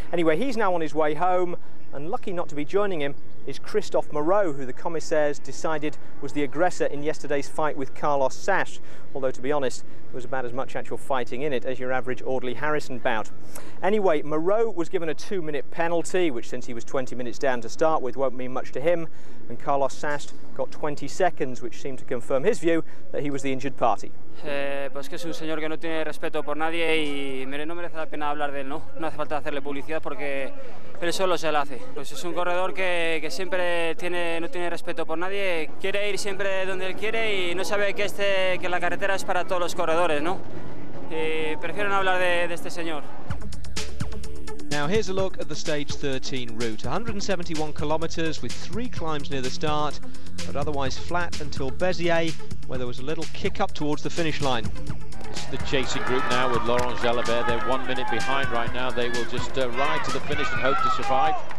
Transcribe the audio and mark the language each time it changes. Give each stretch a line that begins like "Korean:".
English: Anyway, he's now on his way home, and lucky not to be joining him is Christophe Moreau, who the commissaires decided was the aggressor in yesterday's fight with Carlos Sasse, although, to be honest, there was about as much actual fighting in it as your average Audley Harrison bout. Anyway, Moreau was given a 2-minute penalty, which, since he was 20 minutes down to start with, won't mean much to him, and Carlos Sasse got 20 seconds, which seemed to confirm his view that he was the injured party.
Spanish: Pues que es un señor que no tiene respeto por nadie y no merece la pena hablar de él, ¿no? No hace falta hacerle publicidad porque él solo se la hace. Pues es un corredor que siempre tiene, no tiene respeto por nadie, quiere ir siempre donde él quiere y no sabe que, que la carretera es para todos los corredores, ¿no? Y prefiero no hablar de este señor.
English: Now here's a look at the Stage 13 route. 171 kilometres with 3 climbs near the start, but otherwise flat until Béziers, where there was a little kick up towards the finish line. This is the chasing group now with Laurent Jalabert. They're 1 minute behind right now. They will just ride to the finish and hope to survive.